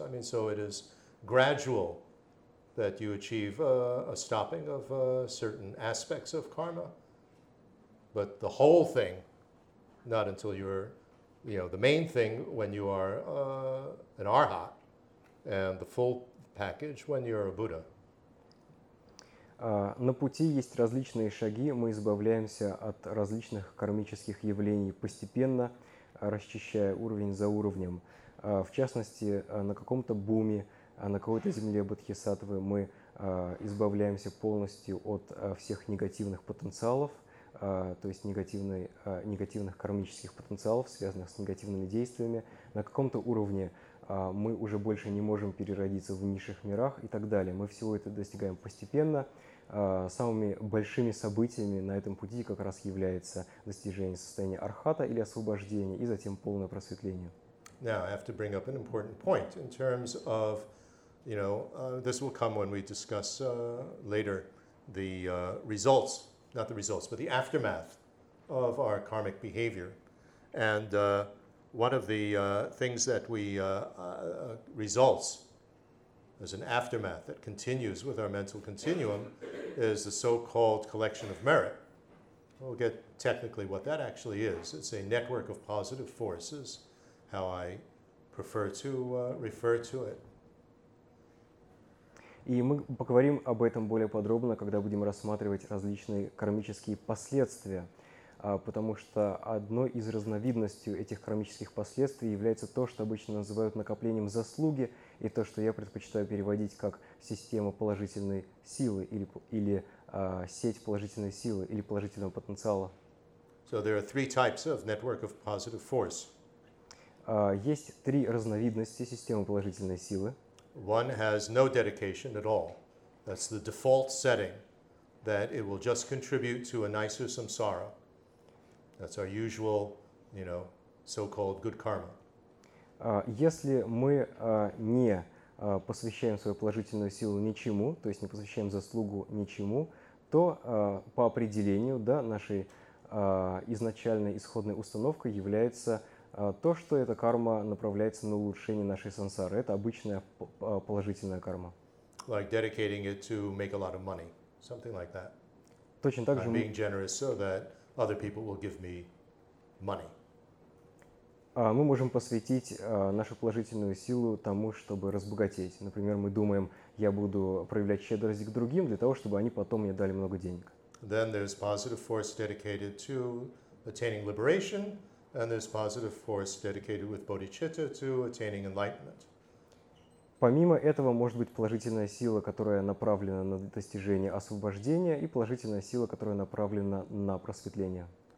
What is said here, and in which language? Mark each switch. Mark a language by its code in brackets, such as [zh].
[en] I mean, so it is gradual that you achieve a stopping of certain aspects of karma, but the whole thing, not until you're the main thing when you are an arhat, and the full package when you are a Buddha. [ru] На пути есть различные шаги. Мы избавляемся от различных кармических явлений постепенно, расчищая уровень за уровнем. В частности, на каком-то буме, на какой-то земле бодхисаттвы мы избавляемся полностью от всех негативных потенциалов. То есть негативных кармических потенциалов, связанных с негативными действиями. На каком-то уровне мы уже больше не можем переродиться в низших мирах и так далее. Мы всего это достигаем постепенно. Самыми большими событиями на этом пути как раз является достижение состояния архата или освобождения, и затем полное просветление. [en] Now, I have to bring up an important point in terms of, this will come when we discuss later the results. Not the results, but the aftermath of our karmic behavior. And one of the things that we results as an aftermath that continues with our mental continuum is the so-called collection of merit. We'll get technically what that actually is. It's a network of positive forces, how I prefer to refer to it. [ru] И мы поговорим об этом более подробно, когда будем рассматривать различные кармические последствия, потому что одной из разновидностей этих кармических последствий является то, что обычно называют накоплением заслуги, и то, что я предпочитаю переводить как система положительной силы или сеть положительной силы или положительного потенциала. [en] So there are three types of network of positive force. [ru] Есть три разновидности системы положительной силы. [en] one has no dedication at all. That's the default setting, that it will just contribute to a nicer samsara. That's our usual, you know, so-called good karma. [ru] Если мы не посвящаем свою положительную силу ничему, то есть не посвящаем заслугу ничему, то по определению, да, нашей изначальной исходной установкой является то, что эта карма направляется на улучшение нашей сансары. Это обычная положительная карма. [en] Like dedicating it to make a lot of money, something like that. [ru] Точно так же [en] I'm being generous so that other people will give me money. [ru] Мы можем посвятить нашу положительную силу тому, чтобы разбогатеть. Например, мы думаем, я буду проявлять щедрость к другим для того, чтобы они потом мне дали много денег. [en] Then there's positive force dedicated to attaining liberation, and there's positive force dedicated with bodhicitta to attaining enlightenment. [ru] Помимо этого, может быть положительная сила, которая направлена на достижение освобождения, и положительная сила, которая направлена на просветление.